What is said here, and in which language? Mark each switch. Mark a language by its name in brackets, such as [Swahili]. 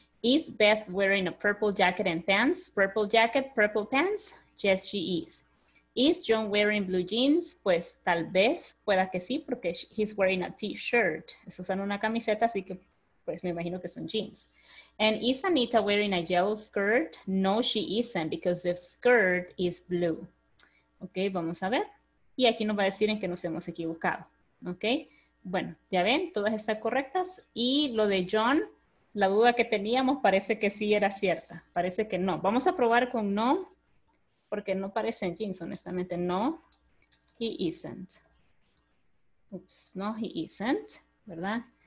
[English] Is Beth wearing a purple jacket and pants? Purple jacket, purple pants? Yes, she is. Is John wearing blue jeans? [Spanish] Pues tal vez pueda que sí, porque [English] he's wearing a t-shirt. [Spanish] Es usando una camiseta, así que pues me imagino que son jeans. [English] And is Anita wearing a yellow skirt? No, she isn't, because the skirt is blue. [Spanish] Ok, vamos a ver. Y aquí nos va a decir en que nos hemos equivocado. Ok. Bueno, ya ven, todas están correctas. Y lo de John, la duda que teníamos parece que sí era cierta. Parece que no. Vamos a probar con no, porque no parecen jeans, honestamente. [English] No, he isn't. Ups, no, he isn't, [Spanish] ¿verdad?